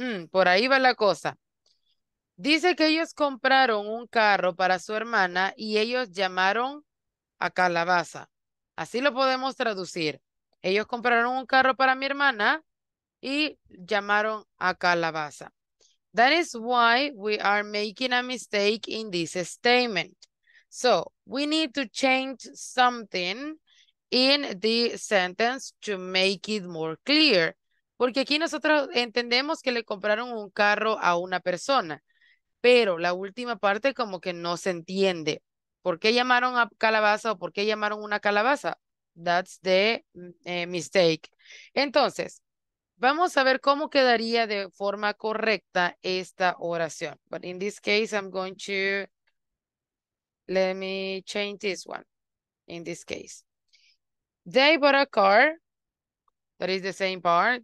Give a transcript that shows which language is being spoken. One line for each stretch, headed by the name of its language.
Spanish: Por ahí va la cosa. Dice que ellos compraron un carro para su hermana y ellos llamaron a calabaza. Así lo podemos traducir. Ellos compraron un carro para mi hermana y llamaron a calabaza.
English: That is why we are making a mistake in this statement. So, we need to change something in the sentence to make it more clear.
Spanish: Porque aquí nosotros entendemos que le compraron un carro a una persona, pero la última parte como que no se entiende. ¿Por qué llamaron a calabaza o por qué llamaron una calabaza?
English: That's the mistake.
Spanish: Entonces, vamos a ver cómo quedaría de forma correcta esta oración.
English: But in this case, I'm going to, let me change this one. In this case, they bought a car. That is the same part.